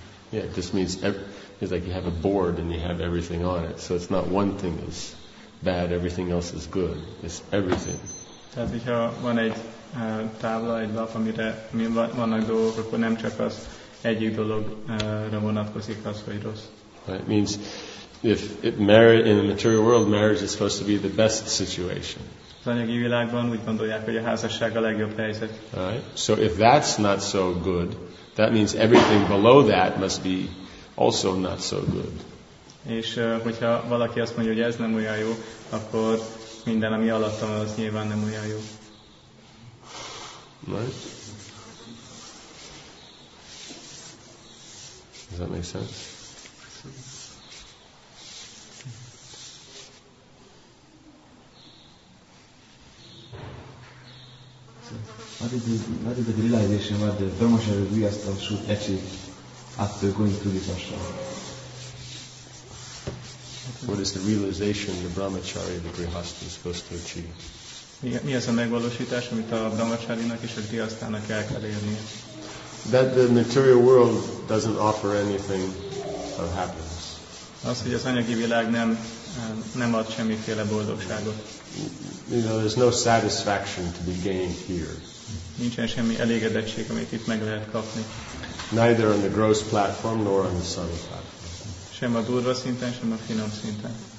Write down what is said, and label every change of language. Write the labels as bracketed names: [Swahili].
[English] Yeah, it just means it's like you have a board and you have everything on it. So it's not one thing is bad, everything else is good. It's everything. [Hungarian] Tehát, hogyha van egy tábla, egy lap, amire vannak dolgok, akkor nem csak az egyik dologra vonatkozik az, hogy rossz. [English] Right, means if it married in the material world, marriage is supposed to be the best situation. [Hungarian] Az anyagi világban úgy gondolják, hogy a házasság a legjobb helyzet. [English] Right, so if that's not so good, that means everything below that must be also not so good. [Hungarian] És hogyha valaki azt mondja, hogy ez nem olyan jó, akkor minden, ami alattam, az nyilván nem olyan jó. [English] Right? Does that make sense? What is the realization where the Brahma Sharira Grihastha should achieve after going through this ashram? What is the realization the Brahmacharya the Grihastha is supposed to achieve? [Hungarian] Mi az a megvalósítás, amit a Brahmacharinak és a Grihasthának el kell érnie? [English] That the material world doesn't offer anything of happiness. [Hungarian] Az, hogy az anyagi világ nem ad semmiféle boldogságot. [English] You know, there's no satisfaction to be gained here. [Hungarian] Nincsen semmi elégedettség, amit itt meg lehet kapni. [English] Neither on the gross platform nor on the subtle platform. [Hungarian] Sem a durva szinten, sem a finom szinten.